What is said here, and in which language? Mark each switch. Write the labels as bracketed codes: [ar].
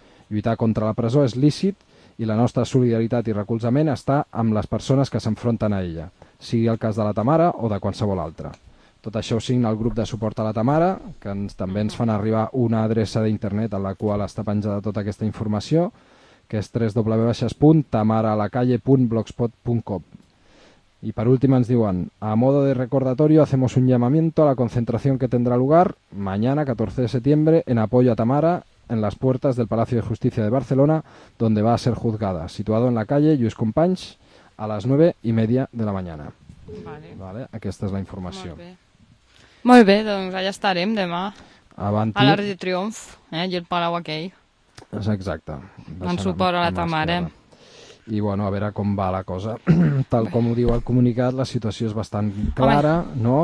[ca] Lluitar contra la presó és lícit i la nostra solidaritat i recolzament està amb les persones que s'enfronten a ella, sigui el cas de la Tamara o de qualsevol altra. Tot això ho signa el grup de suport a la Tamara, que també ens fan arribar una adreça d'internet a la qual està penjada tota aquesta informació, que és www.tamaralacalle.blogspot.com. [es] Y por último nos diuen, a modo de recordatorio hacemos un llamamiento a la concentración que tendrá lugar mañana 14 de septiembre en apoyo a Tamara en las puertas del Palacio de Justicia de Barcelona, donde va a ser juzgada, situado en la calle Lluís Companys a las 9:30 de la mañana. [ca] Vale. Vale, aquesta és la informació. Molt bé, doncs allà estarem demà a l'Arc de Triomf i el Palau aquell. És exacte. En suport a la Tamara. I bueno, a veure com va la cosa. Tal com ho diu el comunicat, la situació és bastant clara, no?